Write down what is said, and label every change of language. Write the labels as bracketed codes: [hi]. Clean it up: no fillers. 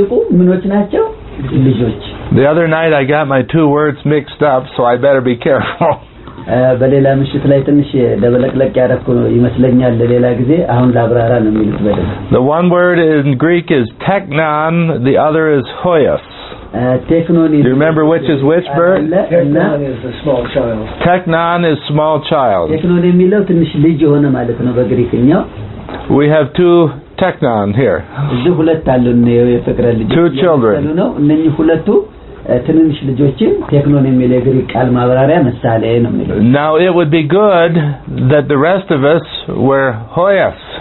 [en] The other night I got my two words mixed up, so I better be careful. [am] በሌላ ምሽት ላይ ትንሽ ደበለቅለቅ ያደረኩ ይመስለኛል ለሌላ ጊዜ አሁን ላብራራ ነው የሚሉት በደንብ [en] The one word in Greek is technon, the other is hoios. Technon is Do you remember which is which, Bert? Technon is the small child. Technon is small child. [am] Technon የሚለው ትንሽ ልጅ የሆነ ማለት ነው በግሪክኛው [en] We have two technon here. [am] እዚ ሁለት አሉ ነው የፍቅረ ልጅ [en] Two children. [am] እነኚህ ሁለቱ [en] Now it would be good that the rest of us were hoyas.